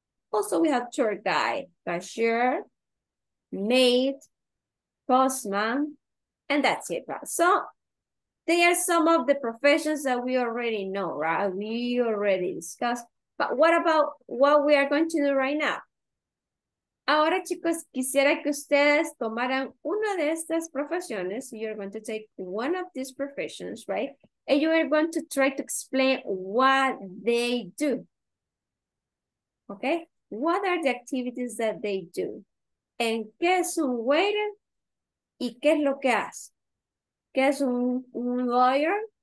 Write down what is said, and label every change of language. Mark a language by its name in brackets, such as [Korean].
[English] Also, we have tour guide, cashier, maid, postman, and that's it. So, they are some of the professions that we already know, right? We already discussed. But what about what we are going to do right now? [Spanish] Ahora, chicos, quisiera que ustedes tomaran una de estas profesiones. [English] You're going to take one of these professions, right? And you are going to try to explain what they do. Okay? What are the activities that they do? [Spanish] ¿En qué es un waiter? ¿Y qué es lo que hace? ¿Qué es un lawyer?